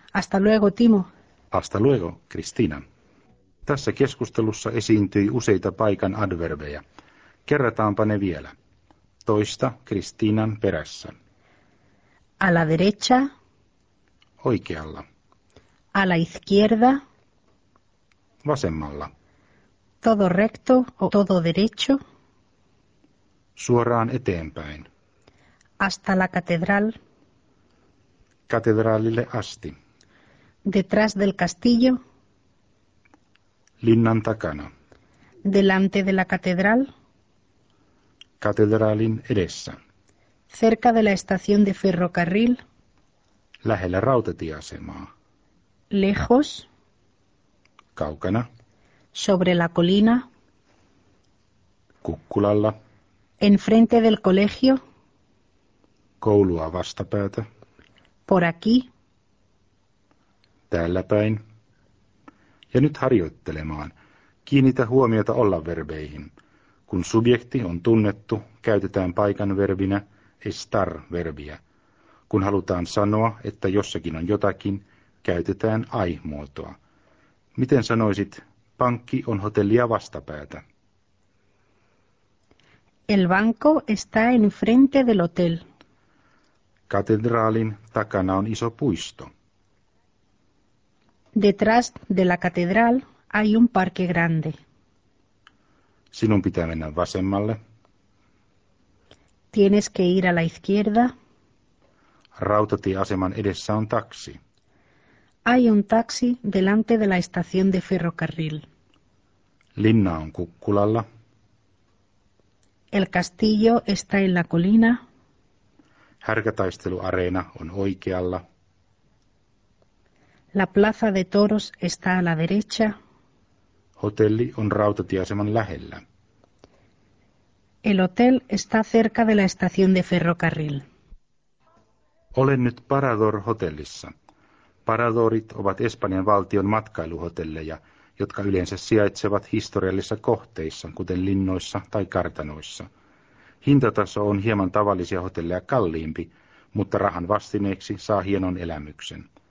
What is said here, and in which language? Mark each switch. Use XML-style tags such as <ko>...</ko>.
<es>Hasta luego, Timo. Hasta luego, Cristina.</es> <fi>Tässä keskustelussa esiintyi useita paikan adverbeja. Kerrataanpa ne vielä. Toista Cristinan perässä.</fi> <es>A la derecha.</es> <fi>Oikealla.</fi> <es>A la izquierda.</es> <fi>Vasemmalla.</fi> <es>Todo recto o todo derecho.</es> <fi>Suoraan eteenpäin.</fi> <es>Hasta la catedral.</es> <fi>Katedraalille asti.</fi> <es>Detrás del castillo.</es> <fi>Linnan takana.</fi> <es>Delante de la catedral.</es> <fi>Katedraalin edessä.</fi> <es>Cerca de la estación de ferrocarril.</es> <fi>Lähellä rautatieasemaa.</fi> <es>Lejos.</es> <fi>Kaukana.</fi> <es>Sobre la colina.</es> <fi>Kukkulalla.</fi> <es>Enfrente del colegio.</es> <fi>Koulua vastapäätä.</fi> <es>Por aquí.</es> <fi>Täällä päin. Ja nyt harjoittelemaan. Kiinnitä huomiota olla-verbeihin. Kun subjekti on tunnettu, käytetään paikan verbinä estar-verbiä. Kun halutaan sanoa, että jossakin on jotakin, käytetään ai-muotoa. Miten sanoisit, Pankki on hotellia vastapäätä.</fi> <es>El banco está enfrente del hotel.</es> <fi>Katedraalin takana on iso puisto.</fi> <es>Detrás de la catedral hay un parque grande.</es> <fi>Sinun pitää mennä vasemmalle.</fi> <es>Tienes que ir a la izquierda.</es> <fi>Rautatieaseman edessä on taksi.</fi> <es>Hay un taxi delante de la estación de ferrocarril.</es> <fi>Linna on kukkulalla.</fi> <es>El castillo está en la colina.</es> <fi>Härkätaisteluareena on oikealla.</fi> <es>La plaza de toros está a la derecha.</es> <fi>Hotelli on rautatieaseman lähellä.</fi> <es>El hotel está cerca de la estación de ferrocarril.</es> <fi>Olen nyt Parador-hotellissa. Paradorit ovat Espanjan valtion matkailuhotelleja, jotka yleensä sijaitsevat historiallisissa kohteissa, kuten linnoissa tai kartanoissa. Hintataso on hieman tavallisia hotelleja kalliimpi, mutta rahan vastineeksi saa hienon elämyksen.</fi>